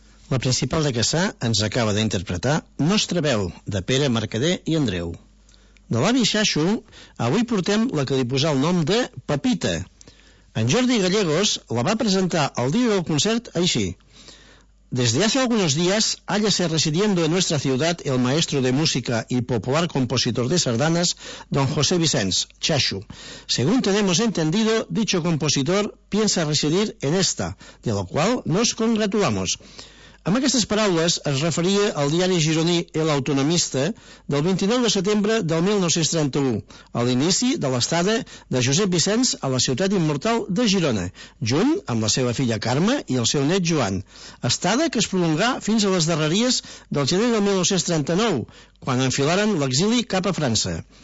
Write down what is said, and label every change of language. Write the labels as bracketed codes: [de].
[ca] La principal de Cassà ens acaba d'interpretar Nostra veu, de Pere Mercader i Andreu. De l'avi Xaxo, avui portem la que li posa el nom de Pepita. En Jordi Gallegos la va presentar el dia del concert així. [es] Desde hace algunos días, hállase residiendo en nuestra ciudad el maestro de música y popular compositor de sardanas, don José Vicenç Xaxo. Según tenemos entendido, dicho compositor piensa residir en esta, de lo cual nos congratulamos. [ca] Amb aquestes paraules es referia al diari gironí El Autonomista del 29 de setembre del 1931, a l'inici de l'estada de Josep Vicenç a la ciutat immortal de Girona, junt amb la seva filla Carme i el seu net Joan, estada que es prolongà fins a les darreries del gener del 1939, quan enfilaren l'exili cap a França.